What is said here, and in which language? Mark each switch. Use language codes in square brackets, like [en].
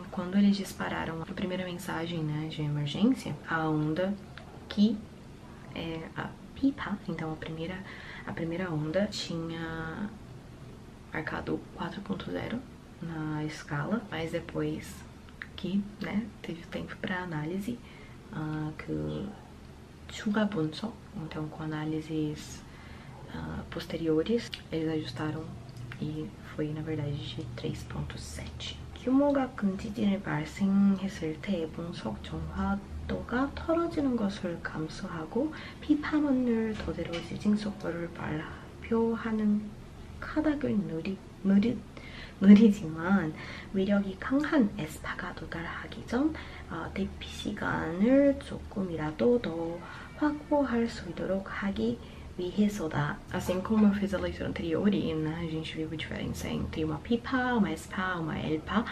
[pt] Quando eles dispararam a primeira mensagem, né, de emergência, a onda que é a pipa, então a primeira onda tinha marcado 4.0 na escala, mas depois que, né, teve tempo para análise, que [ko] chuga bunso, [pt] então com análises posteriores, eles ajustaram e foi na verdade de 3.7. [ko] 규모가 큰 지진을 발생했을 때 분석 정확도가 떨어지는 것을 감수하고 피파문을 토대로 지진 속보를 발표하는 까닭을 느리지만 위력이 강한 에스파가 도달하기 전 대피 시간을 조금이라도 더 확보할 수 있도록 하기 위해서다. [pt] Assim como eu fiz a leitura anterior, né, a gente viu a diferença entre uma pipa, uma espa, uma elpa.